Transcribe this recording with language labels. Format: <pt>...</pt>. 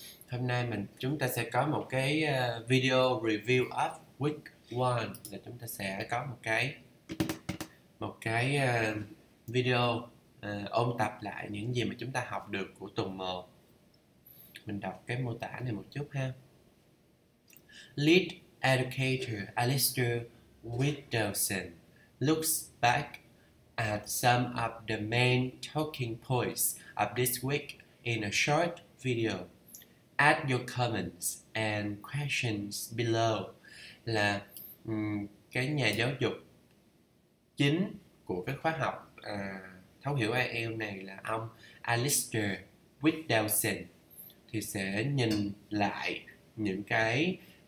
<vi>Hôm nay chúng ta sẽ có một cái video</vi> <en>review of week 1,</en> <vi>là chúng ta sẽ có một cái video ôn tập lại những gì mà chúng ta học được của tuần 1. Mình đọc cái mô tả này một chút ha.</vi> <en>Lead educator Alistair Whittleson looks back at some of the main talking points of this week in a short video. Add your comments and questions below.</en> <vi>Là cái nhà giáo dục chính của cái khóa học thấu hiểu IELTS này là ông Alistair Whittleson thì sẽ nhìn lại những cái</vi>